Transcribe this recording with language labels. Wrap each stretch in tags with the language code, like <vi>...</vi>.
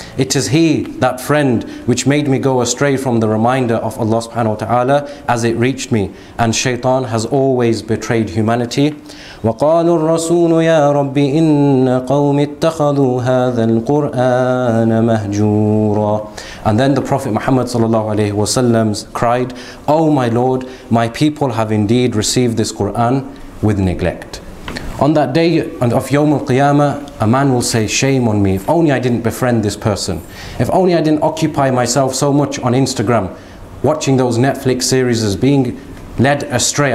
<en>It is he, that friend, which made me go astray from the reminder of Allah subhanahu wa ta'ala as it reached me. And shaitan has always betrayed humanity.</en> <ar>وقال الرسول يا رب إن قوم اتخذوا هذا القرآن مهجورا.</ar> <en>And then the Prophet Muhammad sallallahu alaihi wasallam cried, Oh my Lord, my people have indeed received this Quran with neglect. On that day of Yawm Al-Qiyamah, a man will say, shame on me, if only I didn't befriend this person. If only I didn't occupy myself so much on Instagram, watching those Netflix series as being led astray.</en>